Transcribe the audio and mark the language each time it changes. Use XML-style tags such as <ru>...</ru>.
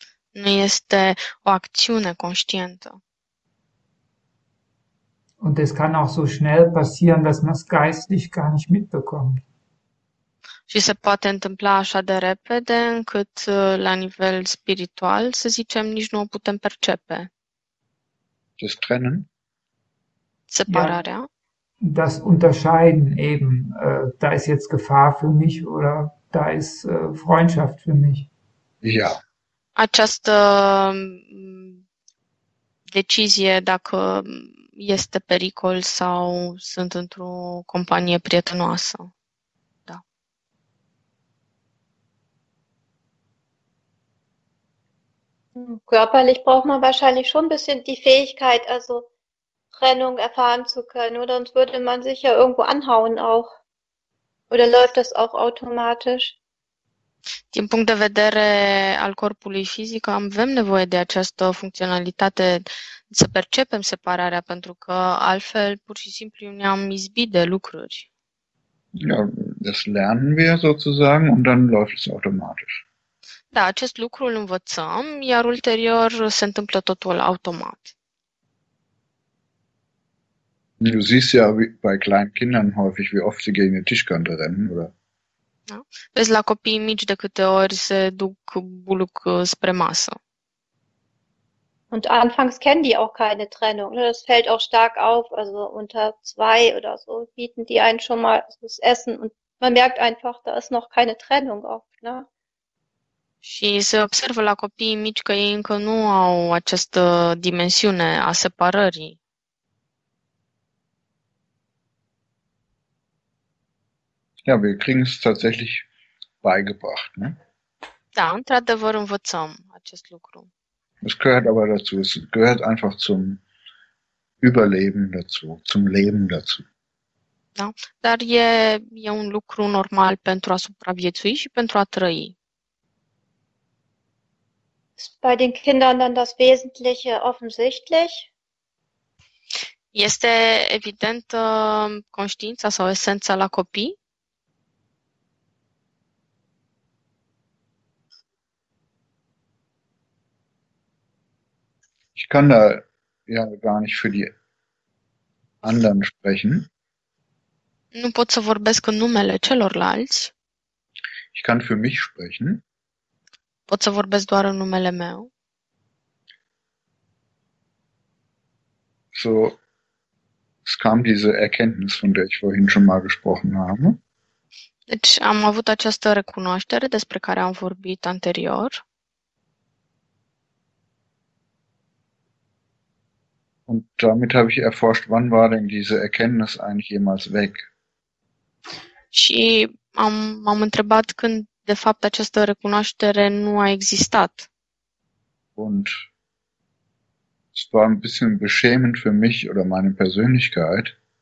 <ro>Nu este o acțiune conștientă.</ro> <de>Und es kann auch so schnell passieren, dass man es geistig gar nicht mitbekommt.</de> <ro>Și se poate întâmpla așa de repede încât la nivel spiritual, să zicem, nici nu o putem percepe.</ro> <de>Das Trennen? Ja,</de> <ro>Separarea.</ro> <de>das Unterscheiden eben. Da ist jetzt Gefahr für mich oder da ist Freundschaft für mich. Ja.</de> <ro>Această decizie, dacă este pericol sau sunt într-o companie prietenoasă.</ro> <de>Körperlich braucht man wahrscheinlich schon ein bisschen die Fähigkeit, also Trennung erfahren zu können, oder sonst würde man sich ja irgendwo anhauen auch. Oder läuft das auch automatisch?</de> <ro>Din punct de vedere al corpului fizic, avem nevoie de această funcționalitate să percepem separarea, pentru că altfel pur și simplu ne-am izbit de lucruri.</ro> <de>Ja, das lernen wir sozusagen und dann läuft es automatisch.</de> <ro>Da, acest lucru îl învățăm, iar ulterior se întâmplă totul automat.</ro> <de>Du siehst ja wie bei kleinen Kindern häufig, wie oft sie gegen den Tischkante rennen, oder?</de> <ro>Da? Vezi, la copiii mici de câte ori se duc buluc spre masă.</ro> <de>Und anfangs kennen die auch keine Trennung. Das fällt auch stark auf. Also unter zwei oder so bieten die einen schon mal das Essen. Und man merkt einfach, da ist noch keine Trennung oft. Ne?</de> <ro>Și se observă la copiii mici că ei încă nu au această dimensiune a separării.</ro> <de>Ja, wir kriegen es tatsächlich beigebracht, ne?</de> <ro>Da, într-adevăr învățăm acest lucru.</ro> <de>Es gehört aber dazu, es gehört einfach zum Überleben dazu, zum Leben dazu.</de> <ro>Da? Dar e un lucru normal pentru a supraviețui și pentru a trăi.</ro> <de>Ist bei den Kindern dann das Wesentliche offensichtlich?</de> <ro>Este evident, conștiința sau esența la copii?</ro> <de>Ich kann da ja gar nicht für die anderen sprechen.</de> <ro>Nu pot să vorbesc în numele celorlalți.</ro> <de>Ich kann für mich sprechen.</de> <ro>Pot să vorbesc doar în numele meu.</ro> <de>So, es kam diese Erkenntnis, von der ich vorhin schon mal gesprochen habe.</de> <ro>Deci am avut această recunoaștere despre care am vorbit anterior.</ro> <de>Und damit habe ich erforscht, wann war denn diese Erkenntnis eigentlich jemals weg?</de> <ro>Și m-am întrebat când, de fapt, această recunoaștere nu a existat.</ro> <de>Und es war ein bisschen beschämend für mich oder meine Persönlichkeit.</de>